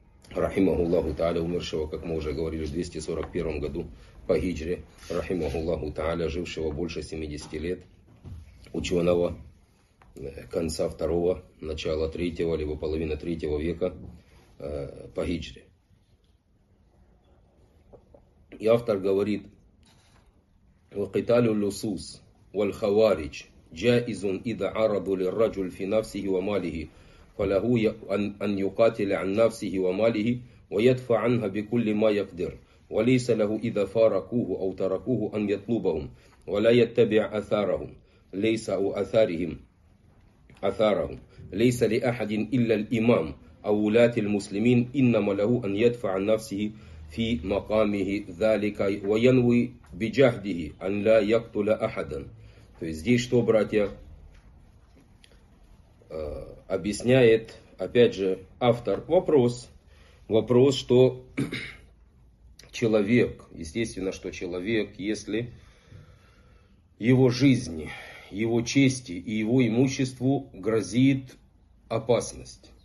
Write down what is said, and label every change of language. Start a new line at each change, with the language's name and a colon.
Russian: рахимахуллаху та'аля, умершего, как мы уже говорили, в 241 году по хиджре, рахимахуллаху та'аля, жившего больше 70 лет, ученого конца второго, начала третьего, либо половина третьего века по хиджре. И автор говорит,
Arabic: «Вакиталю лусус». والخوارج جائز إذا عرضوا للرجل في نفسه وماله فله أن يقاتل عن نفسه وماله ويدفع عنها بكل ما يقدر وليس له إذا فارقوه أو تركوه أن يطلبهم ولا يتبع أثارهم ليس أو أثارهم ليس لأحد إلا الإمام أو ولاة المسلمين إنما له أن يدفع عن نفسه في مقامه ذلك وينوي بجهده أن لا يقتل أحدا.
Russian: То есть здесь что, братья, объясняет, опять же, автор вопрос, что человек, естественно, что человек, если его жизни, его чести и его имуществу грозит опасность.